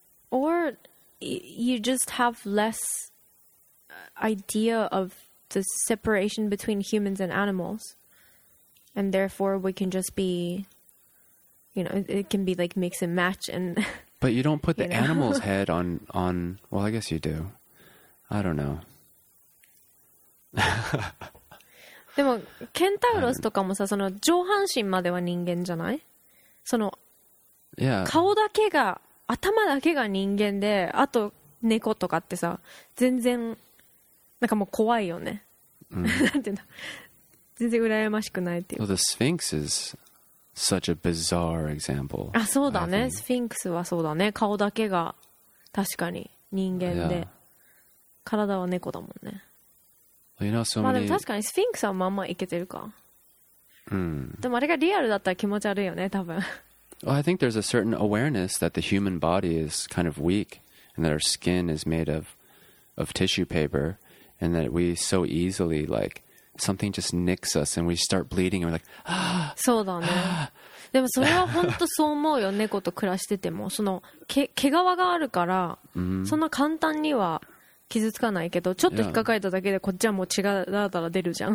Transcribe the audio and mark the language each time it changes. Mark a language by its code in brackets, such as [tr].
[en] Or you just have less idea of the separation between humans and animals, and therefore we can just be, you know, it can be like mix and match. And but you don't put the animal's head on well, I guess you do. I don't know. [ja] でもケンタウロスとかもさ、その上半身までは人間じゃない？その、 [en] yeah. [ja] 顔だけが、頭だけが人間で、あと猫とかってさ、全然なんかもう怖いよね。 Mm. なんていうの、全然羨ましくないっていう。 [en] Well, the Sphinx is such a bizarre example. [ja] あ、そうだね。スフィンクスはそうだね。顔だけが確かに人間で、 [en] yeah. [ja] 体は猫だもんね。 [en] You know, so [ja] まあでも確かにスフィンクスはまんまいけてるか。うん。でもあれがリアルだったら気持ち悪いよね、多分。 [en] Well, I think there's a certain awareness that the human body is kind of weak, and that our skin is made of tissue paper, and that we so easily, like, something just nicks us, and we start bleeding, and we're like, ah! [ja] そうだね。でもそれは本当そう思うよ、猫と暮らしてても。その、毛皮があるから、そんな簡単には、傷つかないけど、ちょっと引っかかえただけでこっちはもう血がだらだら出るじゃん。